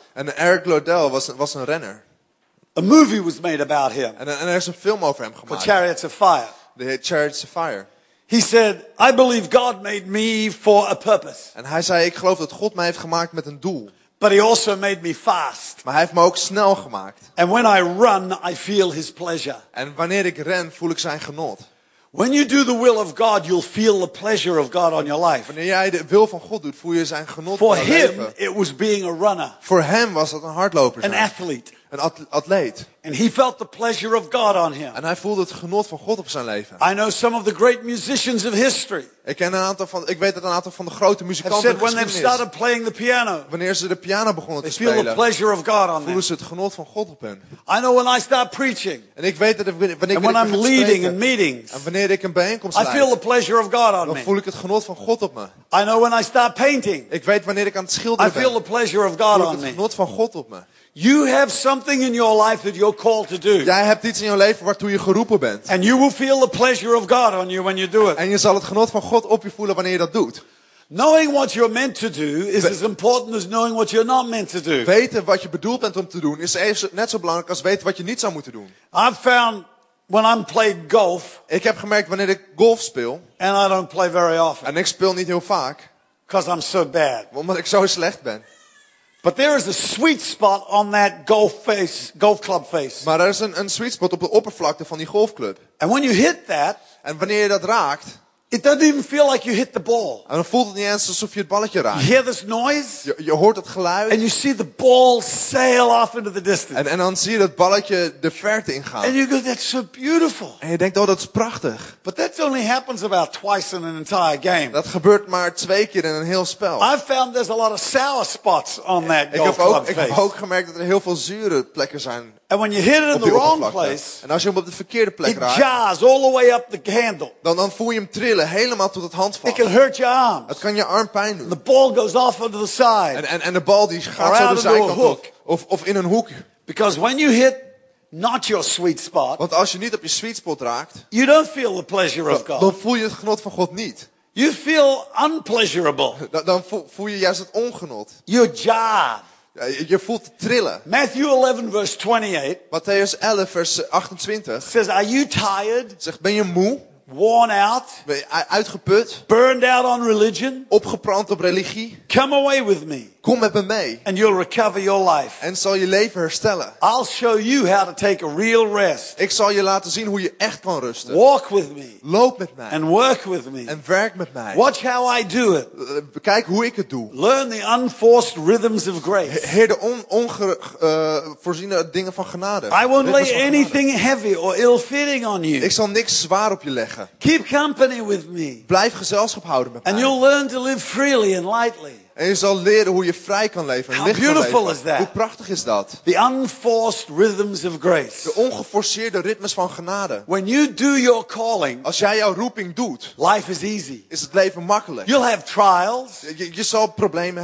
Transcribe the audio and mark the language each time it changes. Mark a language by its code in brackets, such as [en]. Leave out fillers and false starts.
[nl] En Eric Liddell was een renner. [en] A movie was made about him. [nl] En er is een film over hem gemaakt. [en] The Chariots of Fire. The Chariots of Fire. He said, "I believe God made me for a purpose." [nl] En hij zei, ik geloof dat God mij heeft gemaakt met een doel. [en] But he also made me fast. [nl] Maar hij heeft me ook snel gemaakt. [en] And when I run, I feel his pleasure. [nl] En wanneer ik ren, voel ik zijn genot. [en] When you do the will of God, you'll feel the pleasure of God on your life. [nl] Wanneer jij de wil van God doet, voel je zijn genot. [en] For him, it was being a runner. [nl] Voor hem was dat een hardloper zijn. [en] An athlete. [nl] Een atleet. [en] And he felt the pleasure of God on him. [nl] En hij voelde het genot van God op zijn leven. [en] I know some of the great musicians of history. [nl] Ik weet dat een aantal van de grote muzikanten [en] said when they started playing the piano. [nl] Wanneer ze de piano begonnen [en] they [nl] te spelen. [en] Feel the pleasure of God on [nl] voelen ze het genot van God op hen. [en] I know when I start preaching. [nl] En ik weet dat wanneer [en] and when [nl] ik [en] I'm leading in meetings. [nl] En wanneer ik een bijeenkomst [en] I feel the pleasure of God on [nl] dan [en] me. [nl] Voel ik het genot van God op me. [en] I know when I start painting. [nl] Ik weet wanneer ik aan het schilderen ben. [en] I feel the pleasure of God on me. [nl] Voel ik het genot van God op me. [en] You have something in your life that you're called to do. [nl] Jij hebt iets in je leven waartoe je geroepen bent. [en] And you will feel the pleasure of God on you when you do it. [nl] En je zal het genot van God op je voelen wanneer je dat doet. [en] Knowing what you're meant to do is as important as knowing what you're not meant to do. [nl] Weten wat je bedoeld bent om te doen is net zo belangrijk als weten wat je niet zou moeten doen. [en] I've found when I'm playing golf. [nl] Ik heb gemerkt wanneer ik golf speel. [en] And I don't play very often. [nl] En ik speel niet heel vaak. [en] Because I'm so bad. [nl] Omdat ik zo slecht ben. [en] But there is a sweet spot on that golf club face. [nl] Maar er is een sweet spot op de oppervlakte van die golfclub. [en] And when you hit that, [nl] en wanneer je dat raakt, [en] it doesn't even feel like you hit the ball. [nl] En dan voelt het niet eens alsof je het balletje raakt. [en] You hear this noise? [nl] Je hoort het geluid. [en] And you see the ball sail off into the distance. [nl] En dan zie je dat balletje de verte ingaan. [en] And you go, that's so beautiful. [nl] En je denkt, oh, dat is prachtig. [en] But that only happens about twice in an entire game. [nl] Dat gebeurt maar twee keer in een heel spel. [en] I've found there's a lot of sour spots on that golf club face. [nl] Ik heb ook gemerkt dat er heel veel zure plekken zijn. [en] And when you hit it in the wrong place, [nl] en als je hem op de verkeerde plek raakt, [en] it jars all the way up the handle. [nl] Dan voel je hem trillen helemaal tot het handvat. [en] It can hurt your arms. [nl] Het kan je arm pijn doen. [en] And the ball goes off onto the side. [nl] En de bal die gaat zo de zijkant op, of in een hoek. [en] Because when you hit not your sweet spot, [nl] want als je niet op je sweet spot raakt, [en] you don't feel the pleasure of God. [nl] Dan voel je het genot van God niet. [en] You feel unpleasurable. [nl] Dan voel je juist het ongenot. [en] You jar. [nl] Je voelt trillen. [en] Matthew 11 verse 28. [nl] Matthäus 11 vers 28. [en] Says, are you tired? [nl] Zegt, ben je moe? [en] Worn out? [nl] Ben je uitgeput? [en] Burned out on religion? [nl] Opgebrand op religie? [en] Come away with me. [nl] Kom met me mee. [en] And you'll recover your life. [nl] En zal je leven herstellen. [en] I'll show you how to take a real rest. [nl] Ik zal je laten zien hoe je echt kan rusten. [en] Walk with me. [nl] Loop met mij. [en] And work with me. [nl] En werk met mij. [en] Watch how I do it. [nl] Kijk hoe ik het doe. [en] Learn the unforced rhythms of grace. [nl] Heer de voorziene dingen van genade. [en] I won't lay anything heavy or ill-fitting on you. [nl] Ik zal niks zwaar op je leggen. [en] Keep company with me. [nl] Blijf gezelschap houden met mij. [en] And you'll learn to live freely and lightly. [nl] En je zal leren hoe je vrij kan leven. [en] How beautiful is that? [nl] Hoe prachtig is dat? [en] The unforced rhythms of grace. [nl] De ongeforceerde ritmes van genade. [en] When you do your calling, [nl] als jij jouw roeping doet, [en] life is easy. [nl] Is het leven makkelijk. [en] You'll have trials. [nl] Je zal problemen